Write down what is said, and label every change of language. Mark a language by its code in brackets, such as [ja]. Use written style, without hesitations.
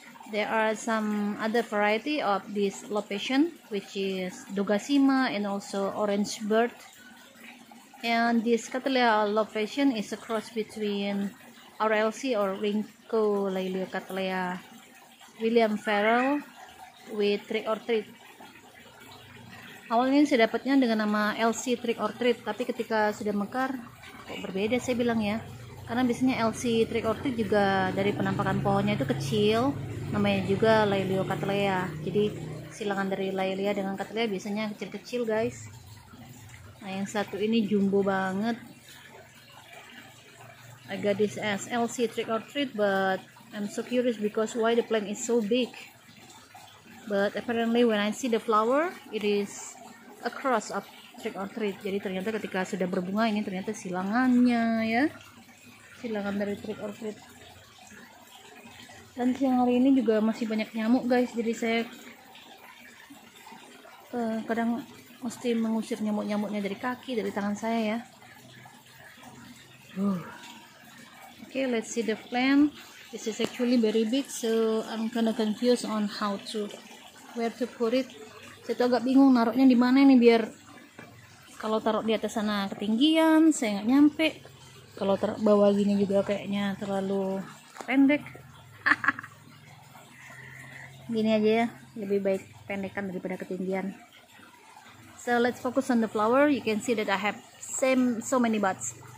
[en] There are some other variety of this Love Passion, which is Dogasima and also Orange Bird. And this Cattleya Love Passion is a cross between RLC or Ringko Lailio Cattleya William Farrell with Trick or Treat. [id] Awalnya saya dapatnya dengan nama LC Trick or Treat, tapi ketika sudah mekar kok berbeda saya bilang ya. Karena biasanya LC Trick or Treat juga dari penampakan pohonnya itu kecil, namanya juga Lailio Cattleya. Jadi silangan dari Lailia dengan Cattleya biasanya kecil-kecil, guys. Nah, yang satu ini jumbo banget. [en] I got this as LC Trick or Treat, but I'm so curious because why the plant is so big. But apparently when I see the flower, it is a cross of Trick or Treat. [id] Jadi ternyata ketika sudah berbunga ini ternyata silangannya ya. Silangan dari Trick or Treat. Dan siang hari ini juga masih banyak nyamuk guys. Jadi saya kadang mesti mengusir nyamuk-nyamuknya dari kaki, dari tangan saya ya. [en] Okay, let's see the plant. This is actually very big, so I'm kinda confused on where to put it. [id] Saya tuh agak bingung naruhnya di mana ini, biar kalau taruh di atas sana ketinggian saya nggak nyampe, kalau taruh bawah gini juga kayaknya terlalu pendek. Gini aja ya, lebih baik pendekan daripada ketinggian. [en] So let's focus on the flower. You can see that I have so many buds.